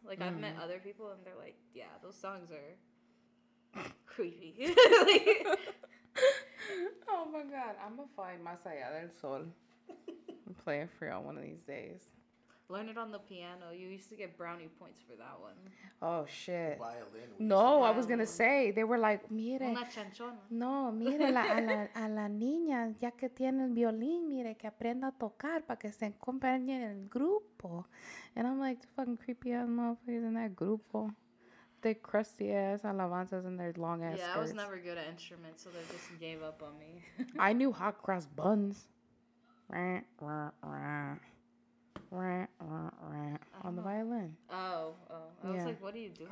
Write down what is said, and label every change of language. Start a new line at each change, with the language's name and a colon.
English: Like I've met other people and they're like, yeah, those songs are creepy. Oh my God. I'm going to find Más Allá del Sol and play it for y'all one of these days. Learn it on the piano. You used to get brownie points for that one. Oh, shit. Violin. No, I was going to say. They were like, mire.
Spanish: Una chanchona. No, mire a la niña, ya que tiene el violín, mire, que aprenda a tocar para que se acompañe en el grupo.
English: And I'm like, fucking creepy ass motherfuckers in that grupo. They crusty ass alabanzas and their long ass skirts. Yeah, I was never good at instruments, so they just gave up on me. I knew hot cross buns. On the violin. Oh. I was like, what are you doing?